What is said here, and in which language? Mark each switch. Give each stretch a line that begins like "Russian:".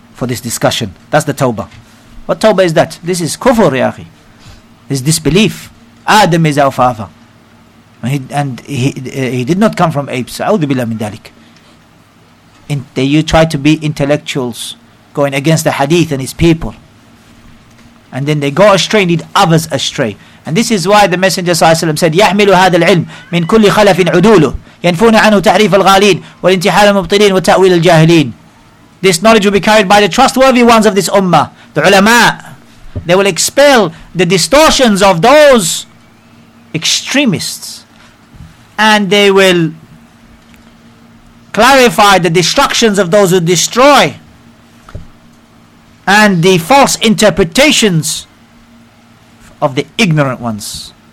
English: For this discussion. That's the tawbah. What tawbah is that? This is kufr, ya akhi. This disbelief. Adam is our father. And he did not come from apes.
Arabic: A'udhu billah min dalik.
English: You try to be intellectuals going against the hadith and his people. And then they go astray, lead others astray. And this is why the Messenger sallallahu alayhi wa sallam said,
Arabic: يَحْمِلُ هَذَا الْعِلْمِ مِنْ كُلِّ خَلَفٍ عُدُولُهُ يَنْفُونَ عَنْهُ تَعْرِيفَ الْغَالِينَ وَالْإِنْتِحَالَ الْمُبْطِلِينَ وَتَأْوِيلَ الْجَاهِلِينَ.
English: This knowledge will be carried by the trustworthy ones of this ummah, the ulama. They will expel the distortions of those extremists, and they will clarify the destructions of those who destroy, and the false interpretations of the ignorant ones.